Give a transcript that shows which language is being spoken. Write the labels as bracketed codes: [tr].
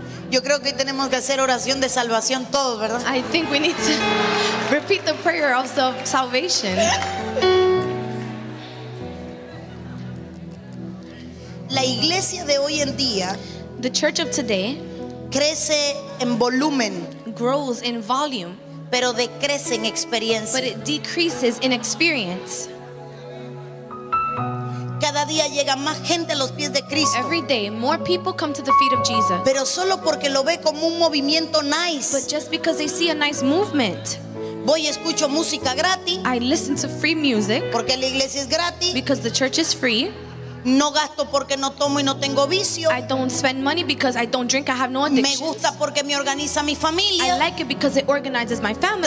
[es] Yo creo que tenemos que hacer oración de salvación todos, ¿verdad? [en] I think we need to repeat the prayer of salvation. [es] La iglesia de hoy en día, [en] the church of today, [es] crece en volumen, [en] grows in volume, [es] pero decrece en experiencia, [en] but it decreases in experience. [es] Cada día llega más gente a los pies de Cristo. [en] Every day, more people come to the feet of Jesus. [es] Pero solo porque lo ve como un movimiento nice. [en] But just because they see a nice movement. [es] Voy y escucho música gratis. [en] I listen to free music. [es] Porque la iglesia es gratis. [en] Because the church is free. [es] No gasto porque no tomo y no tengo vicio. [en] I don't spend money because I don't drink, I have no addictions. [es] Me gusta porque me organiza mi familia. [en] I like it because it organizes my family.